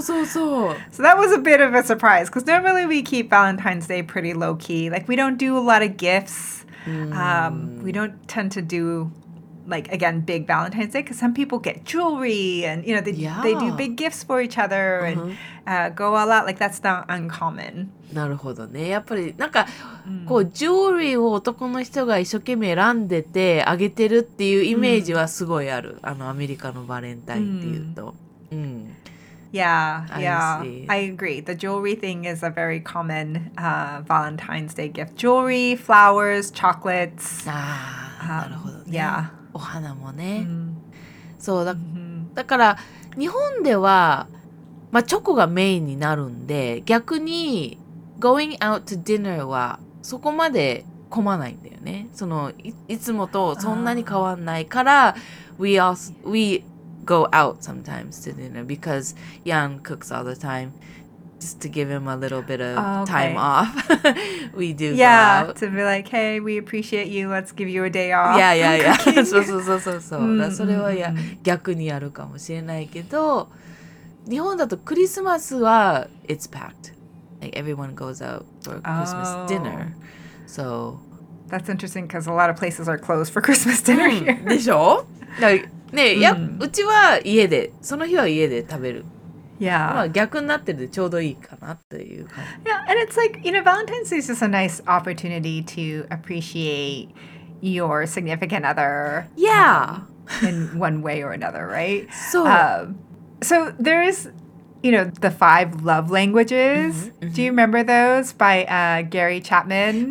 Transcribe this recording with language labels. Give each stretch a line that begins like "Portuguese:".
English: So that was a bit of a surprise because normally we keep Valentine's Day pretty low key. Like we don't do a lot of gifts. Mm. We don't tend to do like, again, big Valentine's Day because some people get jewelry and, you know, they do big gifts for each other and go all out. Like that's not uncommon.
Japanese: なるほどね。やっぱりなんかこうジュエリーを男の人が一生懸命選んでてあげてるっていうイメージはすごいある。あのアメリカのバレンタインっていうと。
English: Yeah, I agree. The jewelry thing is a very common Valentine's Day gift. Jewelry, flowers, chocolates.
Japanese: ああ、なるほどね。
English: Yeah.
Japanese: お花もね。そうだ。だから日本では、まあ、チョコがメインになるんで逆に
English: Going out to dinner
Japanese: はそこまで困らないんだよね。その いつもとそんなに変わんないから、
English: we go out sometimes to dinner because Jan cooks all the time just to give him a little bit of time off. we do yeah, go out. To be like, hey, we appreciate you, let's give you a day off. Yeah.
Japanese: そう。Mm-hmm. それはいや逆にやるかもしれないけど、日本だとクリスマスは
English: it's packed. Like everyone goes out for Christmas dinner. So that's interesting because a lot of places are closed for Christmas dinner here.
Japanese: でしょ? ね、いや、うちは家で、その日は家で食べる。
English: Yeah.
Japanese: 逆になってるでちょうどいいかなっていう。
English: Yeah, and it's like, you know, Valentine's Day is just a nice opportunity to appreciate your significant other. Yeah. In one way or another, right? So, so there is... You know, the five love languages. Mm-hmm, mm-hmm. Do you remember those by Gary Chapman?